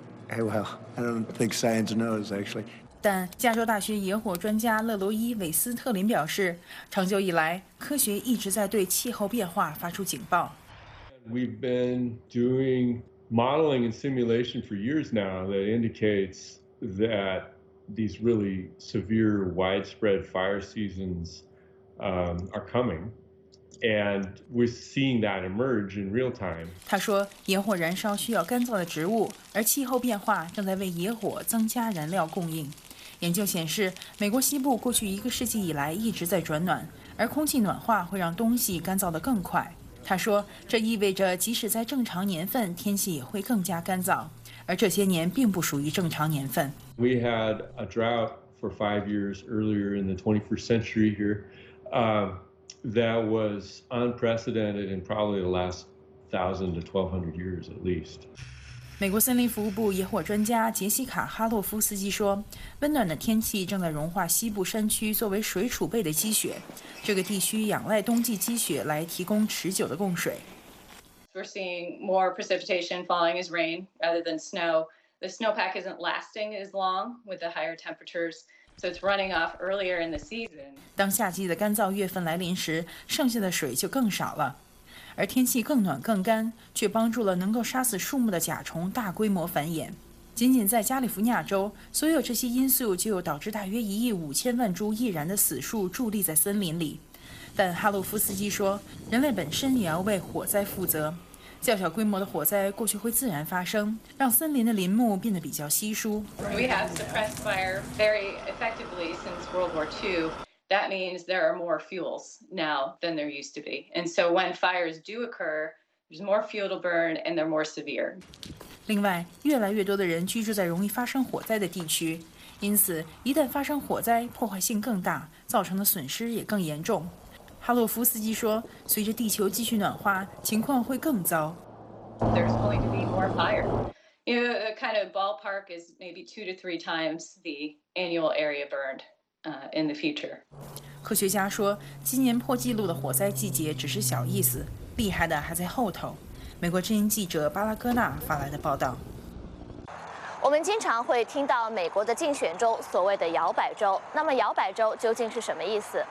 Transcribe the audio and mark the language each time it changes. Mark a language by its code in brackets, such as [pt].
[en] Hey, well, I don't think science knows, actually. [zh] 但加州大学野火专家勒罗伊·韦斯特林表示，长久以来，科学一直在对气候变化发出警报。 [en] We've been doing modeling and simulation for years now that indicates that these really severe, widespread fire seasons, are coming. And we're seeing that emerge in real time. [zh] 他说，野火燃烧需要干燥的植物，而气候变化正在为野火增加燃料供应。研究显示，美国西部过去一个世纪以来一直在转暖，而空气暖化会让东西干燥得更快。他说，这意味着即使在正常年份，天气也会更加干燥，而这些年并不属于正常年份。 [en] We had a drought for 5 years earlier in the 21st century here. That was unprecedented in probably the last 1,000 to 1,200 years at least. [zh] 美国森林服务部野火专家杰西卡·哈洛夫斯基说，温暖的天气正在融化西部山区作为水储备的积雪，这个地区仰赖冬季积雪来提供持久的供水。 [en] We're seeing more precipitation falling as rain rather than snow. The snowpack isn't lasting as long with the higher temperatures. So it's running off earlier in the season. [zh] 当夏季的干燥月份来临时，剩下的水就更少了。而天气更暖更干，却帮助了能够杀死树木的甲虫大规模繁衍。仅仅在加利福尼亚州，所有这些因素就有导致大约1亿5千万株易燃的死树伫立在森林里。但哈洛夫斯基说，人类本身也要为火灾负责。较小规模的火灾过去会自然发生，让森林的林木变得比较稀疏。 [en] We have suppressed fire very effectively since World War II. That means there are more fuels now than there used to be. And so when fires do occur, there's more fuel to burn and they're more severe. [zh] 另外，越来越多的人居住在容易发生火灾的地区，因此一旦发生火灾，破坏性更大，造成的损失也更严重。哈洛夫斯基说，随着地球继续暖化，情况会更糟。 [en] There's going to be more fire. You know, a kind of ballpark is maybe 2 to 3 times the annual area burned in the future. [zh] 科学家说，今年破纪录的火灾季节只是小意思，厉害的还在后头。美国之音记者巴拉戈纳发来的报道。我们经常会听到美国的竞选州所谓的摇摆州，那么摇摆州究竟是什么意思？